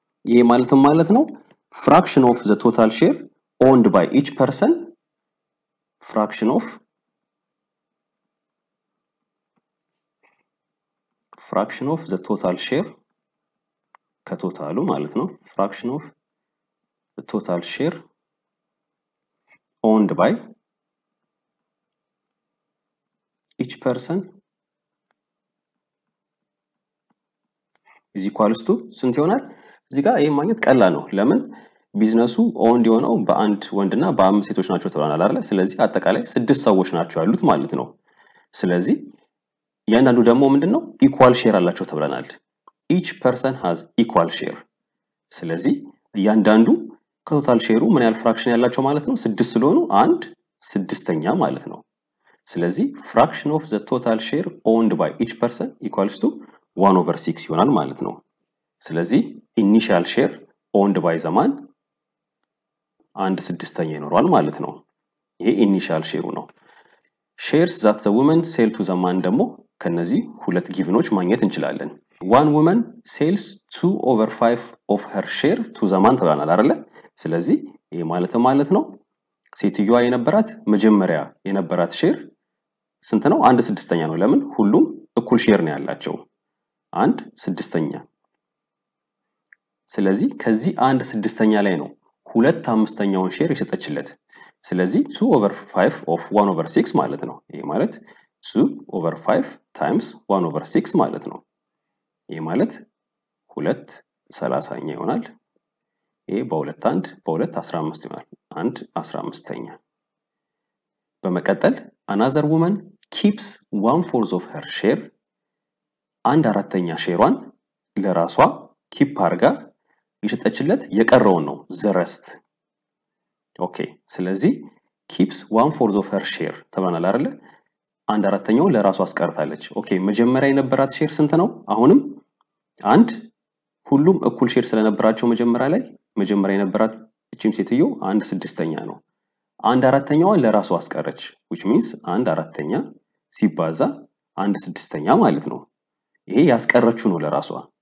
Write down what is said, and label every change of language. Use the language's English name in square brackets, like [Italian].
[English] ይሄ ማለት ነው ፍራክሽን ኦፍ ዘ ቶታል ሼር ኦንድ ባይ ኢች ፐርሰን ፍራክሽን ኦፍ fraction of the total share [Amharic] ከቶታሉ ማለት ነው [English] fraction of the total share owned by each person is equal to [Amharic] ስንት ይሆናል? እዚህ ጋር ይሄ ማግኘት ቀላል ነው. ለምን ቢዝነሱ owned የሆነው በአንድ ወንድና በአምስት ሴቶች ናቸው ተብለናል አይደል? ስለዚህ አጠቃላይ 6 ሰዎች ናቸው ያሉት ማለት ነው. ስለዚህ ያንዳንዱ ደግሞ ምንድነው ኢኳል ሼር አላቸው ተብለናል. [English] each person has equal share. [Amharic] ስለዚህ ያንዳንዱ ከቶታል ሼሩ ምን ያህል ፍራክሽን ያላቸው ማለት ነው? 6 ስለሆኑ 1 6ኛ ማለት ነው. [English] ስለዚህ fraction of the total share owned by each person equals to 1 over 6 [Amharic] ይሆናል ማለት ነው. [English] ስለዚህ initial share owned by the man 1 6ኛ [Amharic] ይኖራል ማለት ነው. [English] ይሄ initial share ነው. shares that the woman sell to the man [Amharic] ደግሞ ከነዚህ ሁለት ጊቭኖች ማግኘት እንችላለን. [English] one woman sells 2 over 5 of her share to the man [Amharic] ተብለናል አይደለ? ስለዚህ ይሄ ማለት ነው ሴትዮዋ የነበራት መጀመሪያ የነበራት ሼር ስንት ነው? 1 6ኛ ነው. ለምን ሁሉም እኩል ሼር ነው ያላቸው? 1 6ኛ. ስለዚህ ከዚህ 1 6ኛ ላይ ነው 2 5ኛውን ሼር የሸጠችለት. [English] ስለዚህ 2 over 5 of 1 over 6 [Amharic] ማለት ነው. ይሄ ማለት [English] 2 over 5 times 1 over 6 [Amharic] ማለት ነው. ይሄ ማለት 2 30ኛ ይሆናል. ይሄ በ2 1 በ2 15 ይሆናል. 1 15ኛ. [English] በመቀጠል another woman keeps 1/4 of her share. [Amharic] አንድ አራተኛ ሼሯን ለራሷ ኪፕ አርጋ ይሸጠችለት የቀረውን ነው [English] the rest. ኦኬ ስለዚህ keeps 1/4 of her share [Amharic] ተብለናል አይደል? አንድ አራተኛው ለራሷ አስቀርታለች። ኦኬ መጀመሪያ የነበራት ሼር ስንት ነው? አሁንም አንድ ሁሉም እኩል ሼር ስለነበራቸው መጀመሪያ የነበራት እቺም ሴትዮ 1 6ኛ ነው። አንድ አራተኛው ለራሷ አስቀረች [English] which means [Amharic] አንድ አራተኛ ሲባዛ 1 6ኛ ማለት ነው። ይሄ ያስቀረችው ነው ለራሷ።